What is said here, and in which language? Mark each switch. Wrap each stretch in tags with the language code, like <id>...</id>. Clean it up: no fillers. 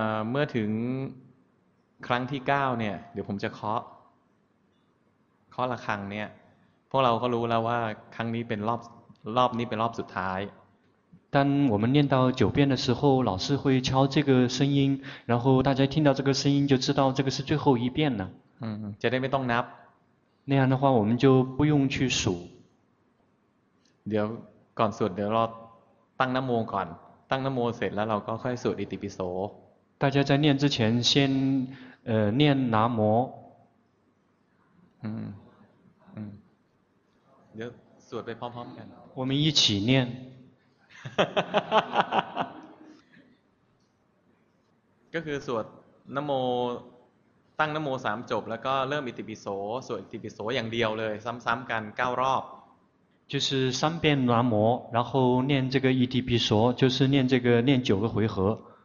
<th>เมื่อถึงครั้งที่9เนี่ยเดี๋ยวผมจะเคาะระฆังเนี่ยพวกเราก็รู้แล้วว่าครั้งนี้เป็นรอบนี้เป็นรอบสุดท้าย</th> <zh>当我们念到九遍的时候老师会敲这个声音然后大家听到这个声音就知道这个是最后一遍了</zh> <th>จะได้ไม่ต้องนับ</th> <zh>那样的话我们就不用去数</zh> <th>เดี๋ยวก่อนสวดเดี๋ยวเราตั้งนโมก่อนตั้งนโมเสร็จแล้วเราก็ค่อยสวดอิติปิโส</th> <zh>大家在念之前先念南无</zh> <th>เดี๋ยวสวดไปพร้อมๆกัน</th> <zh>我们一起念</zh> <th>ก็คือสวดนโมตั้งนโมสามจบแล้วก็เริ่มอิติปิโสสวดอิติปิโสอย่างเดียวเลยซ้ำๆกันเก้ารอบ</th> <zh>就是三遍南无然后念这个อิติปิโส就是念这个念九个回合</zh>